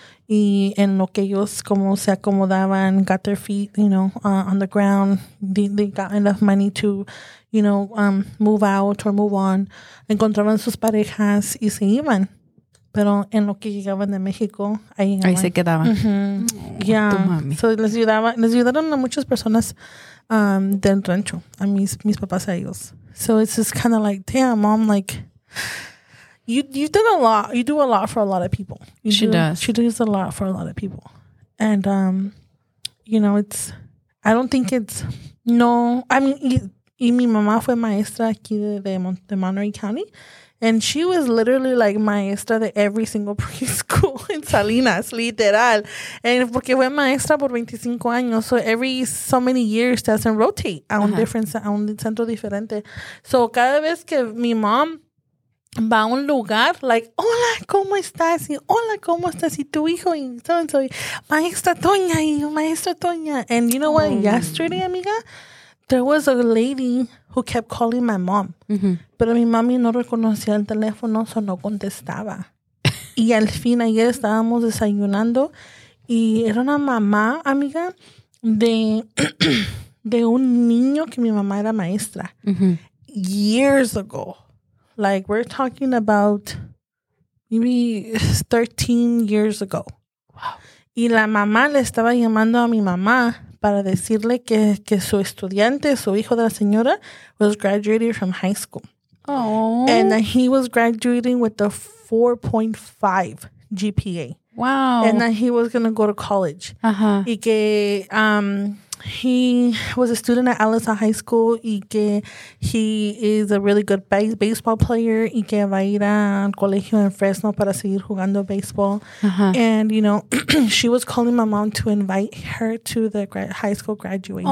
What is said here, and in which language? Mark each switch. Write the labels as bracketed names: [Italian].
[Spanish] Y en lo que ellos como se acomodaban, [English] got their feet, you know, on the ground, they got enough money to, you know, move out or move on. [Spanish] Encontraban sus parejas y se iban. Pero en lo que llegaban de México, ahí se quedaban. [English] Mm-hmm. Yeah. [Spanish] So les ayudaron a muchas personas del rancho, a mis papás a ellos. [English] So it's just kind of like, damn, mom, like, you've done a lot. You do a lot for a lot of people. She does a lot for a lot of people. And, you know, it's, I don't think it's, no, I mean, [Spanish] y mi mamá fue maestra aquí de Monterey County. [English] And she was literally like maestra de every single preschool in Salinas, literal. [Spanish] And porque fue maestra por 25 años, [English] so every so many years doesn't rotate [Spanish] a un centro diferente. So cada vez que mi mom va a un lugar, like, hola, ¿cómo estás? Y hola, ¿cómo estás? Y tu hijo, y entonces, maestra Toña, y maestra Toña. [English] And you know what? Oh. Yesterday, amiga, there was a lady who kept calling my mom. Mm-hmm. [Spanish] Pero mi mami no reconocía el teléfono, so no contestaba. Y al fin, ayer estábamos desayunando y era una mamá, amiga, de un niño que mi mamá era maestra. Mm-hmm. [English] Years ago. Like, we're talking about maybe 13 years ago. Wow. [Spanish] Y la mamá le estaba llamando a mi mamá para decirle que su estudiante, su hijo de la señora, [English] was graduating from high school. Oh. And he was graduating with a 4.5 GPA. Wow. And that he was going to go to college. Uh-huh. Y que, he was a student at Allison High School. Y que he is a really good baseball player. [Spanish] Y que va a ir a colegio en Fresno para seguir jugando baseball. Uh-huh. [English] And, you know, she was calling my mom to invite her to the high school graduation.